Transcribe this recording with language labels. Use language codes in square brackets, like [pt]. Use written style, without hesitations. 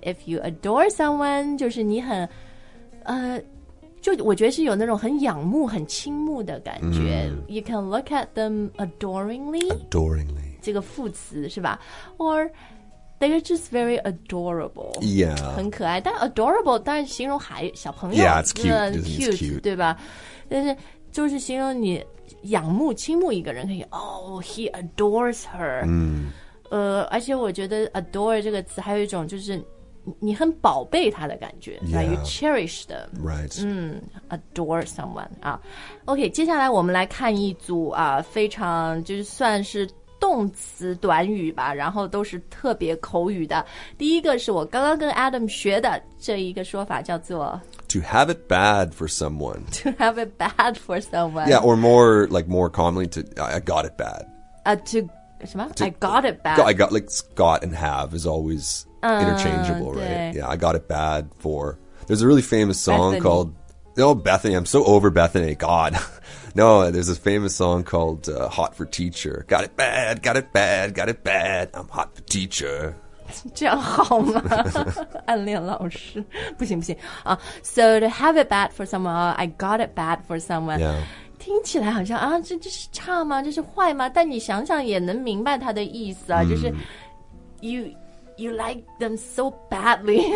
[en] If you adore someone, [zh] 就是你很就我觉得是有那种很仰慕很倾慕的感觉、 [en] You can look at them adoringly [zh] 这个副词是吧 [en] Or they're just very adorable Yeah [zh] 很可爱但 adorable 当然形容孩小朋友 [en] Yeah it's cute, it's [zh] cute 对吧但是就是形容你仰慕倾慕一个人可以 [en] Oh he adores her、 [zh] 而且我觉得 adore 这个词还有一种就是你很宝贝他的感觉 [en] yeah, right, you cherish them right [zh] adore someone、OK 接下来我们来看一组、非常就是算是动词短语吧然后都是特别口语的第一个是我刚刚跟 Adam 学的这一个说法叫做 [en] to have it bad for someone to have it bad for someone yeah or more like more commonly to I got it bad to 什么 to, I got it bad I got like got and have is alwaysinterchangeable, right? Yeah, I got it bad for... There's a really famous song、 Bethany. called... Oh, Bethany, I'm so over Bethany, God. No, there's a famous song called、Hot for Teacher. Got it bad, got it bad, got it bad. I'm hot for teacher. [zh] 这样好吗？暗恋老师。不行不行、 [en] So to have it bad for someone,、I got it bad for someone. Yeah. [zh] 听起来好像、这是差吗？这是坏吗？但你想想也能明白它的意思啊、就是 [en] You like them so badly.